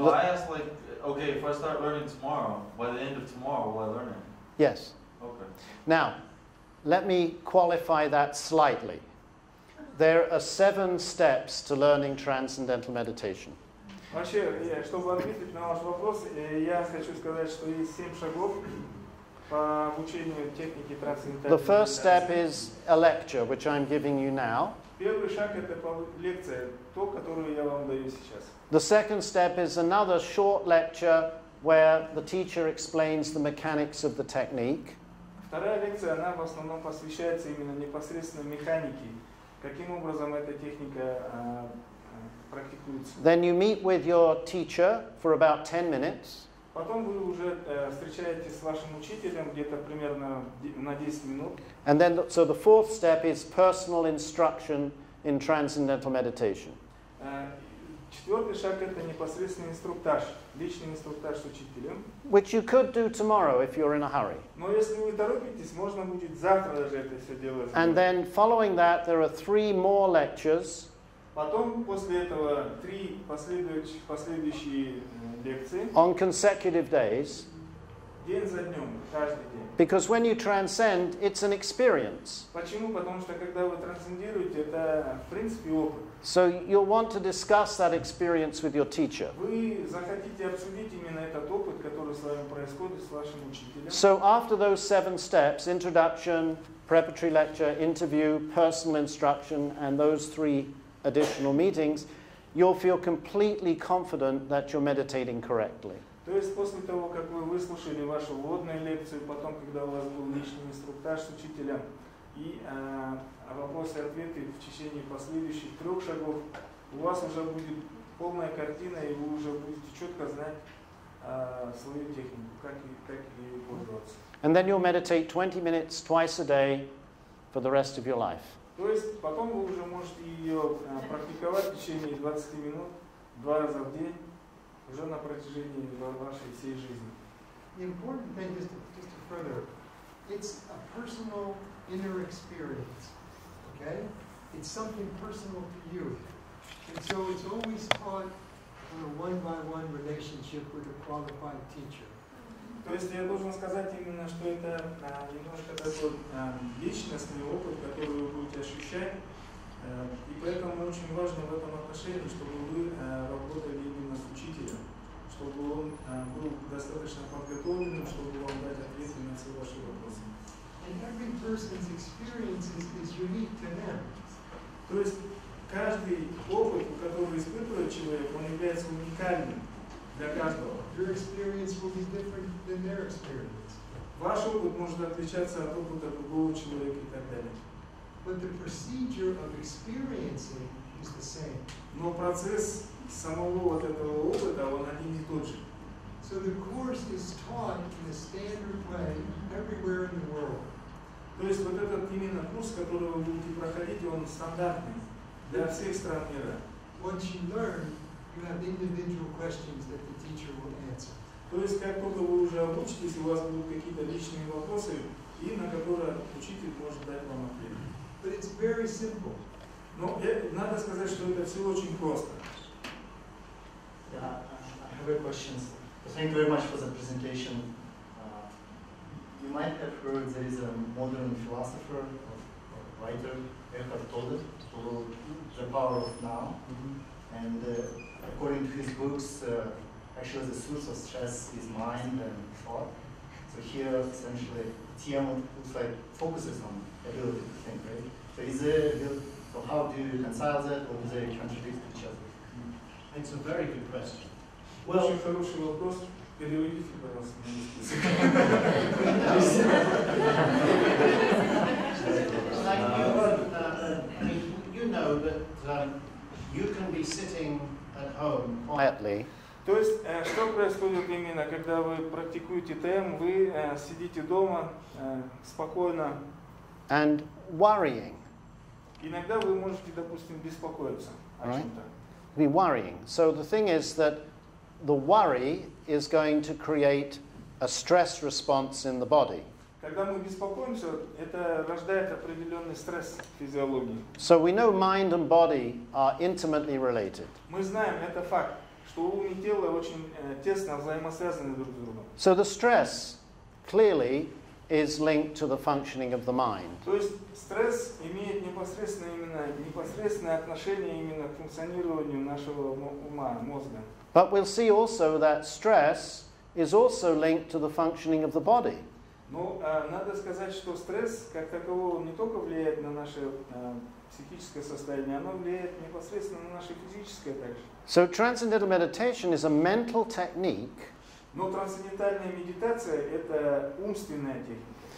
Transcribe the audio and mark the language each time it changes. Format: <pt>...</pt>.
<en>Well, I asked like, okay, if I start learning tomorrow, by the end of tomorrow, will I learn it? Yes. Okay. Now, let me qualify that slightly. There are 7 steps to learning transcendental meditation.</en> <ru>Вообще, чтобы ответить на ваш вопрос, я хочу сказать, что есть 7 шагов.</ru> <en>The first step is a lecture, which I'm giving you now.</en> <ru>Первый шаг это лекция, то, которую я вам даю сейчас.</ru> <en>The second step is another short lecture where the teacher explains the mechanics of the technique.</en> <ru>Вторая лекция, она в основном посвящается именно непосредственно механике, каким образом эта техника практикуется.</ru> <en>Then you meet with your teacher for about 10 minutes.</en> <ru>Потом вы уже встречаетесь с вашим учителем где-то примерно на 10 минут.</ru> <en>And then, so the fourth step is personal instruction in transcendental meditation.</en> <ru>Четвертый шаг это непосредственный инструктаж, личный инструктаж с учителем.</ru> <en>Which you could do tomorrow if you're in a hurry.</en> <ru>Но если вы торопитесь, можно будет завтра даже это все делать.</ru> <en>And then following that, there are three more lectures.</en> <ru>Потом после этого три последующие лекции.</ru> <en>On consecutive days.</en> <ru>День за днем, каждый день.</ru> <en>Because when you transcend, it's an experience.</en> <ru>Почему? Потому что когда вы трансцендируете, это в принципе опыт.</ru> <en>So you'll want to discuss that experience with your teacher.</en> <ru>Вы захотите обсудить именно этот опыт, который с вами происходит с вашим учителем.</ru> <en>So after those seven steps, introduction, preparatory lecture, interview, personal instruction, and those three additional meetings, you'll feel completely confident that you're meditating correctly.</en> <ru>То есть после того, как вы выслушали вашу вводную лекцию, потом, когда у вас был личный инструктаж с учителем, и вопросы-ответы в течение последующих трех шагов, у вас уже будет полная картина, и вы уже будете четко знать свою технику, как ее пользоваться.</ru> <en>And then you'll meditate 20 minutes twice a day for the rest of your life.</en> <ru>То есть потом вы уже можете ее практиковать в течение 20 минут два раза в день, уже на протяжении вашей всей жизни.</ru> <en>The important thing is just to further, it's a personal inner experience, okay? It's something personal to you. And so it's always taught on a one-by-one relationship with a qualified teacher.</en> <ru>То есть я должен сказать именно, что это немножко такой личностный опыт, который вы будете ощущать. И поэтому очень важно в этом отношении, чтобы вы работали именно с учителем, чтобы он был достаточно подготовленным, чтобы вам дать ответы на все ваши вопросы.</ru> <en>And every person's experience is unique to them.</en> <ru>То есть каждый опыт, который испытывает человек, он является уникальным для каждого.</ru> <en>Your experience will be different than their experience.</en> <ru>Ваш опыт может отличаться от опыта другого человека и так далее.</ru> <en>But the procedure of experiencing is the same.</en> <ru>Но процесс самого вот этого опыта, он один и тот же.</ru> <en>So the course is taught in a standard way everywhere in the world.</en> <ru>То есть вот этот именно курс, который вы будете проходить, он стандартный для всех стран мира.</ru> <en>Once you learn, you have individual questions that the teacher will answer.</en> <ru>То есть как только вы уже обучитесь, у вас будут какие-то личные вопросы, и на которые учитель может дать вам ответ.</ru> <en>But it's very simple.</en> <ru>Но надо сказать, что это все очень просто.</ru> <en>Yeah, I have a question. Thank you very much for the presentation. You might have heard there is a modern philosopher or writer, Eckhart Tolle, who wrote The Power of Now. Mm-hmm. And according to his books, actually the source of stress is mind and thought. So here, essentially, TM looks like focuses on ability to think, right? So is there, so how do you reconcile that, or do they contradict each other? Mm-hmm. It's a very good question.</en> <ru>Well, очень хороший вопрос. Переведите, пожалуйста, на английский.</ru> <en>You know that you can be sitting at home quietly.</en> <ru>То есть, что происходит именно, когда вы практикуете ТМ, вы сидите дома спокойно.</ru> <en>And worrying.</en> <ru>Иногда вы можете, допустим, беспокоиться о чем-то.</ru> <en>Be worrying. So the thing is that the worry is going to create a stress response in the body.</en> <ru>Когда мы беспокоимся, это рождает определенный стресс в физиологии.</ru> <en>So we know mind and body are intimately related.</en> <ru>Мы знаем, это факт, что ум и тело очень тесно взаимосвязаны друг с другом.</ru> <en>So the stress clearly is linked to the functioning of the mind.</en> <ru>То есть стресс имеет непосредственное отношение именно к функционированию нашего ума, мозга.</ru> <en>But we'll see also that stress is also linked to the functioning of the body.</en> <ru>Но надо сказать, что стресс как такового не только влияет на наше психическое состояние, оно влияет непосредственно на наше физическое также.</ru> <en>So transcendental meditation is a mental technique.</en> <ru>Но трансцендентальная медитация это умственная техника.</ru>